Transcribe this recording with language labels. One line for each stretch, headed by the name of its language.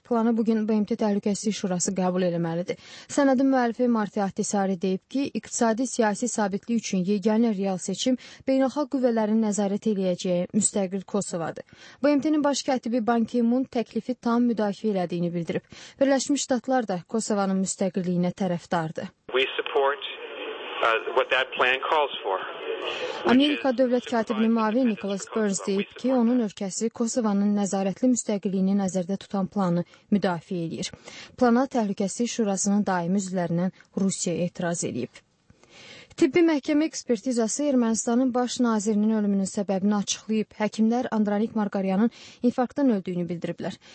Azerbaijani: Planı bugün BMT Təhlükəsizlik Şurası qəbul eləməlidir. Sənədin müəllifi Marti Ahtisari deyib ki, iqtisadi siyasi sabitlik üçün yeganə real seçim beynəlxalq qüvvələrin nəzarət eləyəcəyi müstəqil Kosovadır. BMT-nin baş katibi Ban Ki-moon təklifi tam müdafiə elədiyini bildirib. Birləşmiş Ştatlar da Kosovanın müstəqilliyinə tərəfdardır.
English: We support what that plan calls for.
Azerbaijani: Amerika dövlət katibinin mavi Nicholas Burns deyib ki, onun ölkəsi Kosovanın nəzarətli müstəqilliyini nəzərdə tutan planı müdafiə edir. Plana Təhlükəsizlik Şurasının daimi üzvlərindən Rusiya etiraz edib. Tibbi məhkəmə ekspertizası Ermənistanın baş nazirinin ölümünün səbəbini açıqlayıb, həkimlər Andranik Margaryanın infarktdan öldüyünü bildiriblər.